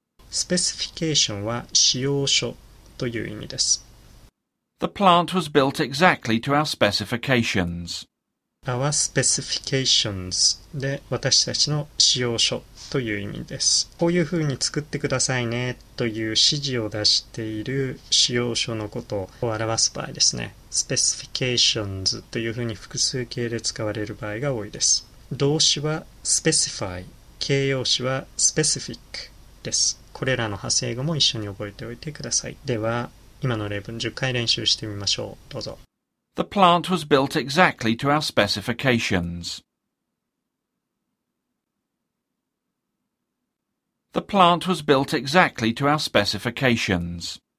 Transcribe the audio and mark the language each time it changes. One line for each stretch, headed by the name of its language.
Japanese: Specification は使用書という意味です。
English: The plant was built exactly to our specifications. Our specifications
Japanese: で私たちの使用書という意味です。こういうふうに作ってくださいねという指示を出している使用書のことを表す場合ですね。 Specifications というふうに複数形で使われる場合が多いです。動詞は specify、形容詞は specific です。これらの派生語も一緒に覚えておいてください。では、今の例文10回練習してみましょう。どうぞ。
English: The plant was built exactly to our specifications. The plant was built exactly to our specifications.